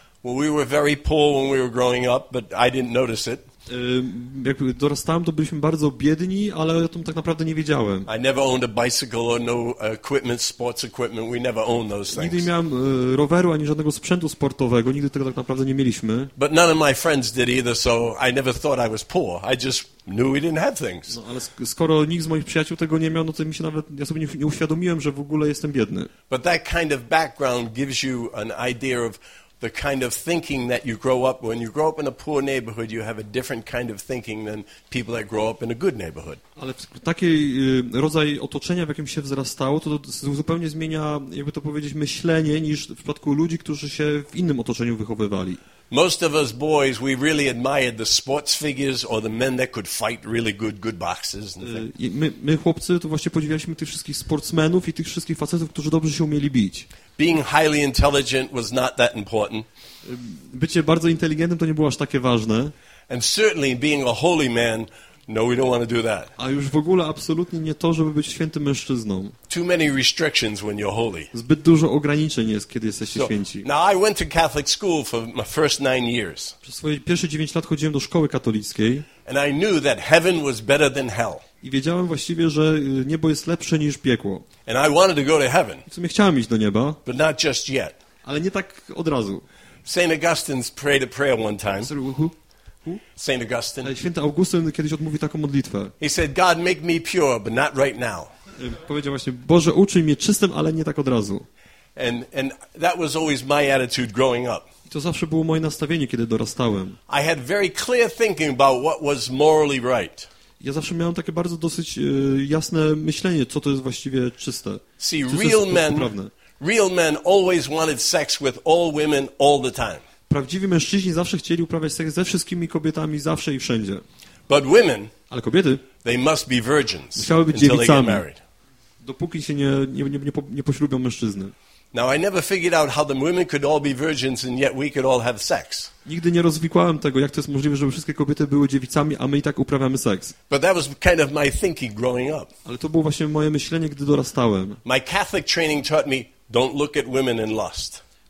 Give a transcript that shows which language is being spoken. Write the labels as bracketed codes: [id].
[en] Well, we were very poor when we were growing up, but I didn't notice it. [pl] Jak dorastałem, to byliśmy bardzo biedni, ale o tym tak naprawdę nie wiedziałem. [en] I never owned a bicycle or no equipment, sports equipment. We never owned those things. [pl] Nigdy nie miałem roweru ani żadnego sprzętu sportowego. Nigdy tego tak naprawdę nie mieliśmy. [en] But none of my friends did either, so I never thought I was poor. I just knew we didn't have things. [pl] No, ale skoro nikt z moich przyjaciół tego nie miał, no to mi się nawet ja sobie nie uświadomiłem, że w ogóle jestem biedny. [en] But that kind of background gives you an idea of the kind of thinking that you grow up when you grow up in a poor neighborhood, you have a different kind of thinking than people that grow up in a good neighborhood. [pl] Ale taki rodzaj otoczenia, w jakim się wzrastało, to zupełnie zmienia, jakby to powiedzieć, myślenie niż w przypadku ludzi, którzy się w innym otoczeniu wychowywali. [en] Most of us boys, we really admired the sports figures or the men that could fight really good boxers. [pl] My chłopcy to właśnie podziwialiśmy tych wszystkich sportsmenów i tych wszystkich facetów, którzy dobrze się umieli bić. [en] Being highly intelligent was not that important. [pl] Bycie bardzo inteligentnym to nie było aż takie ważne. [en] And certainly being a holy man, no, we don't want to do that. [pl] A już w ogóle absolutnie nie to, żeby być świętym mężczyzną. [en] Too many restrictions when you're holy. [pl] Zbyt dużo ograniczeń jest, kiedy jesteście święci. [en] Now I went to Catholic school for my first 9 years. [pl] Przez swoje pierwsze 9 lat chodziłem do szkoły katolickiej. [en] And I knew that heaven was better than hell. [pl] I wiedziałem właściwie, że niebo jest lepsze niż piekło. [en] And I wanted to go to heaven. [pl] W sumie chciałem iść do nieba. [en] But not just yet. [pl] Ale nie tak od razu. [en] St. Augustine prayed a prayer one time. St. Augustine. [pl] Święty Augustyn kiedyś odmówił taką modlitwę. [en] He said, God, make me pure, but not right now. [pl] Powiedział właśnie, Boże, uczyń mnie czystym, ale nie tak od razu. [en] And that was always my attitude growing up. [pl] I to zawsze było moje nastawienie, kiedy dorastałem. [en] I had very clear thinking about what was morally right. [pl] Ja zawsze miałem takie bardzo dosyć jasne myślenie, co to jest właściwie czyste. [en] See, real men always wanted sex with all women all the time. [pl] Prawdziwi mężczyźni zawsze chcieli uprawiać seks ze wszystkimi kobietami, zawsze i wszędzie. [en] But women, [pl] ale kobiety, [en] they must be virgins, [pl] musiały być dziewicami, dopóki się nie poślubią mężczyzny. [en] Now I never figured out how the women could all be virgins and yet we could all have sex. [pl] Nigdy nie rozwikłałem tego, jak to jest możliwe, żeby wszystkie kobiety były dziewicami, a my i tak uprawiamy seks. [en] But that was kind of my thinking growing up. [pl] Ale to było właśnie moje myślenie, gdy dorastałem. [en] My Catholic training taught me, don't look at women in lust.